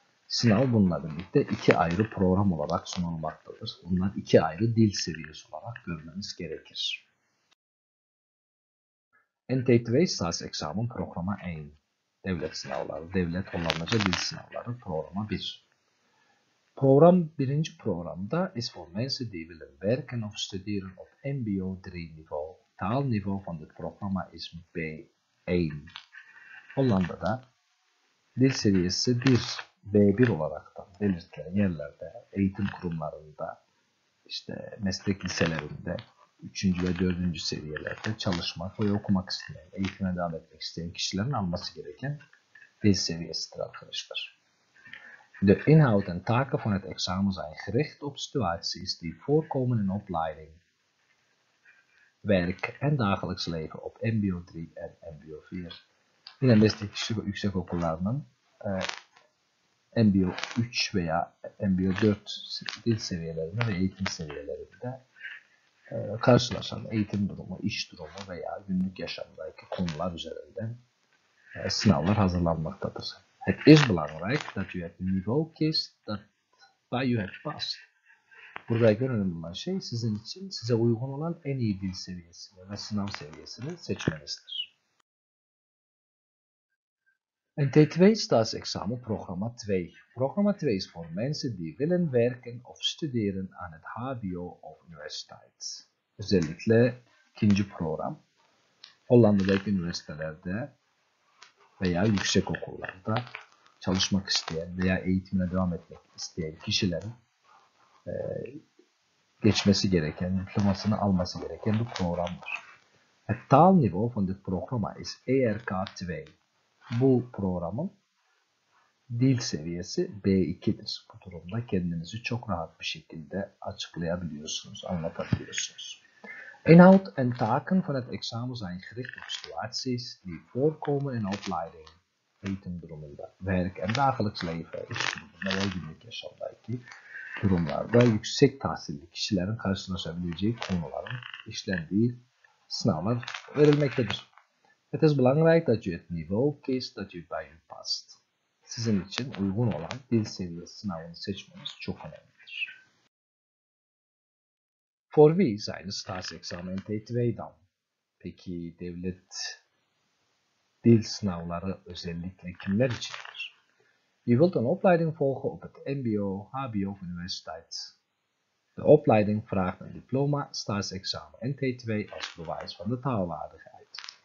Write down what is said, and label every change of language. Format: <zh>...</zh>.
<tr>Sınav bununla birlikte 2 ayrı program olarak sunulmaktadır. Bunlar 2 ayrı dil seviyesi olarak görmeniz gerekir. NT2 Staatsexamen programa 1. Devlet sınavları, devlet Hollandaca dil sınavları programa 1. Program, birinci programda</tr> <nl>is voor mensen die willen werken of studeren op MBO 3 niveau. Taalniveau van het programma is B1.</nl> <tr>Hollanda'da dil seviyesi 1, B1 olarak da belirtilen yerlerde, eğitim kurumlarında, işte meslek liselerinde, 3. ve 4. seviyelerde çalışmak ve okumak isteyen, eğitime devam etmek isteyen kişilerin alması gereken dil seviyesidir arkadaşlar.</tr> <nl>De inhoud en taken van het examen zijn gericht op situaties die voorkomen in opleiding, werk en dagelijks leven op MBO 3 en MBO 4. In de meeste</nl> <tr>yüksekokullarının MBO 3 veya MBO 4 dil seviyelerinde ve eğitim seviyelerinde karşılaşan eğitim durumu, iş durumu veya günlük yaşamdaki konular üzerinden sınavlar hazırlanmaktadır.</tr> <nl>Het is belangrijk dat u het niveau kiest dat bij u het past.</nl> <tr>Burada en önemli olan şey sizin için size uygun olan en iyi dil seviyesini ve sınav seviyesini seçmenizdir.</tr> <nl>NT2 Staatsexamen Programma 2. Programma 2 is voor mensen die willen werken of studeren aan het HBO of universiteit.</nl> <tr>Özellikle ikinci program. Hollanda'daki üniversitelerde veya yüksek okullarda çalışmak isteyen veya eğitimine devam etmek isteyen kişilerin geçmesi gereken, diplomasını alması gereken bir programdır.</tr> <nl>Het taalniveau van dit programma is ERK2.</nl> <tr>Bu programın dil seviyesi B2'dir. Bu durumda kendinizi çok rahat bir şekilde açıklayabiliyorsunuz, anlatabiliyorsunuz.</tr> <nl>Inhoud en taken van het examen zijn gericht op situaties die voorkomen in opleiding,</nl> <tr>eğitim durumunda,</tr> <nl>werk en dagelijks leven,</nl> <tr>iş durumunda ve günlük yaşamdaki durumlarda yüksek tahsilli kişilerin karşılaşabileceği konuların işlendiği sınavlar verilmektedir.</tr> <nl>Het is belangrijk dat u het niveau kiest dat u bij u past.</nl> <tr>Sizin için uygun olan dil seviyesi sınavını seçmeniz çok önemli.</tr> <nl>Voor wie zijn de staatsexamen NT2 dan?</nl> <tr>Peki devlet dil sınavları özellikle kimler içindir?</tr> <nl>Je wilt een opleiding volgen op het MBO, HBO of universiteit. De opleiding vraagt een diploma staatsexamen NT2 als bewijs van de taalwaardigheid.</nl>